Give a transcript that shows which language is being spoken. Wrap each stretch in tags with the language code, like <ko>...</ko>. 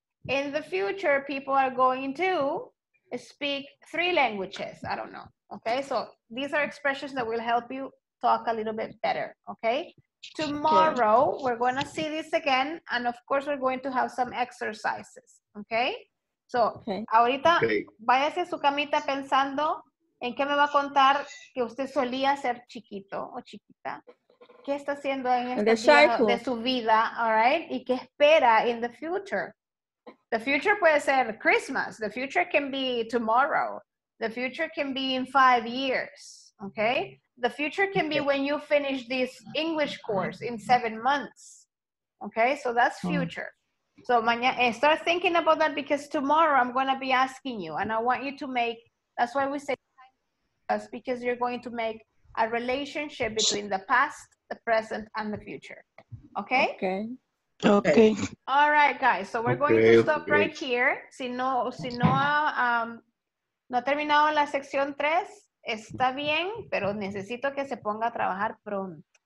<en>In the future, people are going to speak 3 languages. I don't know. Okay, so these are expressions that will help you talk a little bit better. Okay, tomorrow okay. we're going to see this again. And of course, we're going to have some exercises. Okay, so okay. ahorita okay.</en> <es>váyase a su camita pensando en qué me va a contar que usted solía ser chiquito o chiquita. ¿Qué está haciendo en este momento de su vida? All right, y qué espera</es> <en>in the future. The future puede ser Christmas. The future can be tomorrow. The future can be in 5 years, okay? The future can be when you finish this English course in 7 months, okay? So that's future. So mañana, start thinking about that because tomorrow I'm going to be asking you and I want you to make, that's why we say time us because you're going to make a relationship between the past, the present, and the future, okay? Okay. Okay. All right, guys. So we're going to stop right here.</en> <es>Si no ha terminado la sección 3, está bien, pero necesito que se ponga a trabajar pronto.</es>